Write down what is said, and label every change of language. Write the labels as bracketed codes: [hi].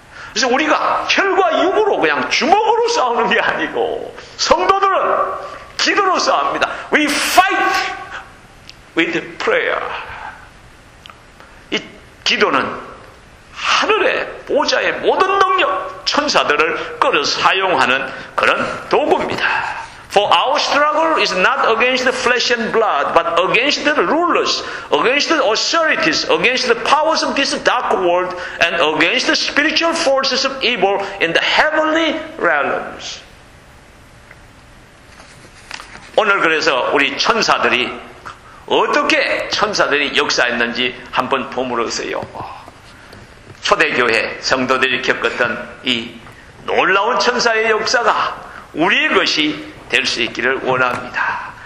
[ko] 그래서 우리가 혈과 육으로 그냥 주먹으로 싸우는 게 아니고 성도들은 기도로 싸웁니다. [en] We fight with prayer. [ko] 이 기도는 하늘의 보좌의 모든 능력, 천사들을 끌어 사용하는 그런 도구입니다. [en] For our struggle is not against flesh and blood, but against the rulers, against the authorities, against the powers of this dark world, and against the spiritual forces of evil in the heavenly realms. [ko] 오늘 그래서 우리 천사들이 어떻게 천사들이 역사했는지 한번 보물으세요. 초대교회 성도들이 겪었던 이 놀라운 천사의 역사가 우리의 것이 될 수 있기를 원합니다.